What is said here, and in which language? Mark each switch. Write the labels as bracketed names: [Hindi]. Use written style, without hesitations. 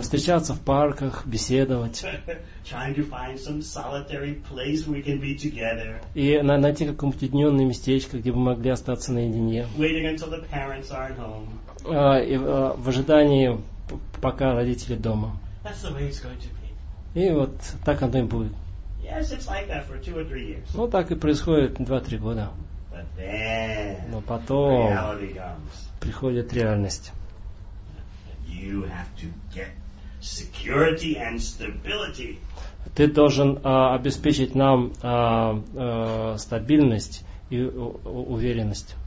[Russian] Встречаться в парках, беседовать. [English] Trying to find some solitary place we can be together. [Russian] И найти какое-нибудь уединенное местечко, где бы мы могли остаться наедине. [English] Waiting until the parents aren't home. [Russian] В ожидании, пока родители дома. [English] That's the way it's going to be. [Russian] И вот так оно и будет. [English] Yes, it's like that for two or three years. [Russian] Ну, так и происходит 2-3 года. [English] But then, [Russian] но потом приходит реальность. [English] You have to get security and stability. [Russian] Ты должен обеспечить нам стабильность и уверенность.